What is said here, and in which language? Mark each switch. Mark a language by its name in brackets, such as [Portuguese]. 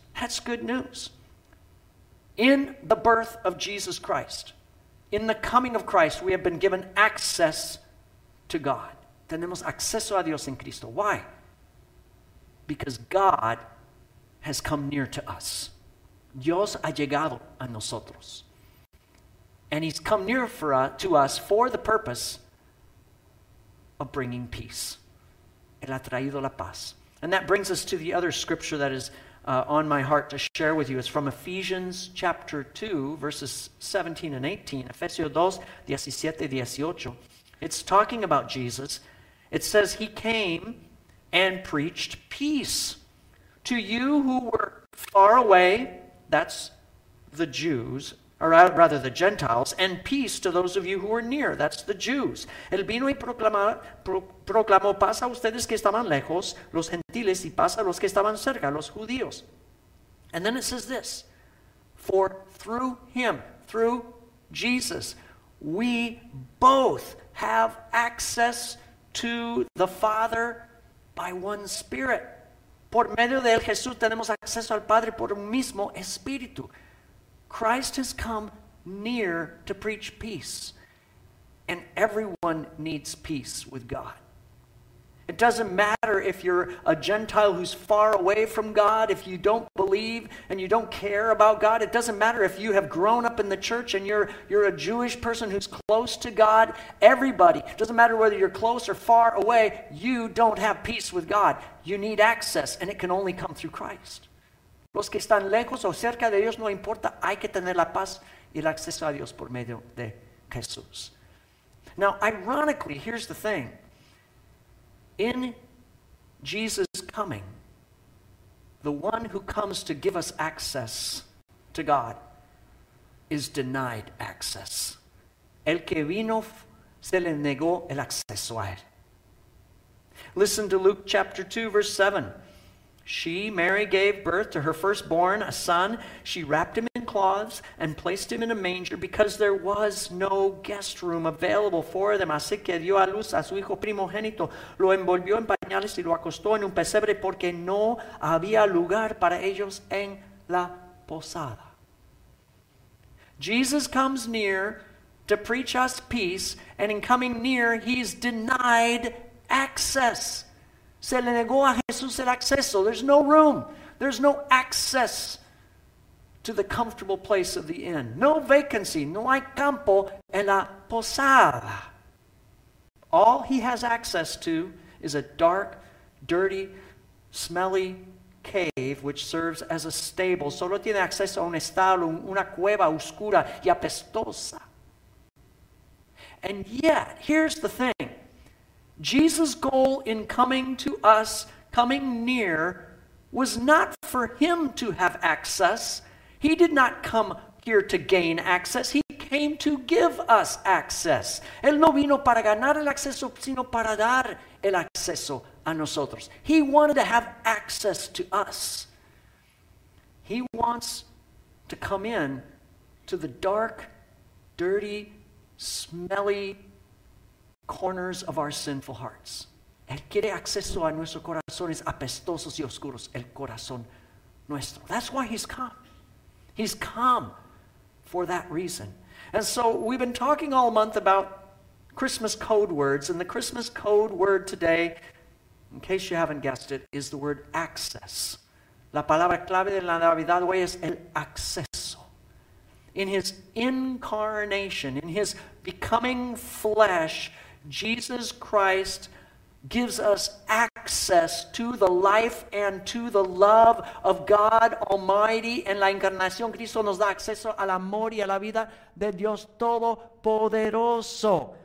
[English] That's good news. In the birth of Jesus Christ, in the coming of Christ, we have been given access to God. [Spanish] Tenemos acceso a Dios en Cristo. [English] Why? Because God has come near to us. [Spanish] Dios ha llegado a nosotros. [English] And he's come near for to us for the purpose of bringing peace. [Spanish] Él ha traído la paz. [English] And that brings us to the other scripture that is on my heart to share with you. It's from Ephesians chapter 2, verses 17 and 18. [Spanish] Efesios 2, 17 y 18. [English] It's talking about Jesus. It says, he came and preached peace to you who were far away, that's the Jews, or rather the Gentiles, and peace to those of you who were near, that's the Jews. [Spanish] Él vino y proclamó paz a ustedes que estaban lejos, los gentiles, y paz a los que estaban cerca, los judíos. [English] And then it says this, for through him, through Jesus, we both have access to the Father by one Spirit. [Spanish] Por medio de él, Jesús, tenemos acceso al Padre por un mismo Espíritu. [English] Christ has come near to preach peace. And everyone needs peace with God. It doesn't matter if you're a Gentile who's far away from God, if you don't believe and you don't care about God. It doesn't matter if you have grown up in the church and you're a Jewish person who's close to God. Everybody, it doesn't matter whether you're close or far away, you don't have peace with God. You need access, and it can only come through Christ. [Spanish] Los que están lejos o cerca de Dios, no importa, hay que tener la paz y el acceso a Dios por medio de Jesús. [English] Now, ironically, here's the thing. In Jesus' coming, the one who comes to give us access to God is denied access. [Spanish] El que vino se le negó el acceso a él. [English] Listen to Luke chapter 2, verse 7. She, Mary, gave birth to her firstborn, a son. She wrapped him in cloths and placed him in a manger because there was no guest room available for them. [Spanish] Así que dio a luz a su hijo primogénito, lo envolvió en pañales y lo acostó en un pesebre porque no había lugar para ellos en la posada. [English] Jesus comes near to preach us peace, and in coming near, he's denied access. [Spanish] Se le negó a Jesús el acceso. [English] There's no room. There's no access to the comfortable place of the inn. No vacancy. [Spanish] No hay campo en la posada. [English] All he has access to is a dark, dirty, smelly cave which serves as a stable. [Spanish] Solo tiene acceso a un establo, una cueva oscura y apestosa. [English] And yet, here's the thing. Jesus' goal in coming to us, coming near, was not for him to have access. He did not come here to gain access. He came to give us access. [Spanish] Él no vino para ganar el acceso, sino para dar el acceso a nosotros. [English] He wanted to have access to us. He wants to come in to the dark, dirty, smelly corners of our sinful hearts. [Spanish] Él quiere acceso a nuestros corazones apestosos y oscuros, el corazón nuestro. [English] That's why he's come. He's come for that reason. And so we've been talking all month about Christmas code words, and the Christmas code word today, in case you haven't guessed it, is the word access. [Spanish] La palabra clave de la Navidad hoy es el acceso. [English] In his incarnation, in his becoming flesh, Jesus Christ gives us access to the life and to the love of God Almighty. [Spanish] En la encarnación, Cristo nos da acceso al amor y a la vida de Dios Todopoderoso.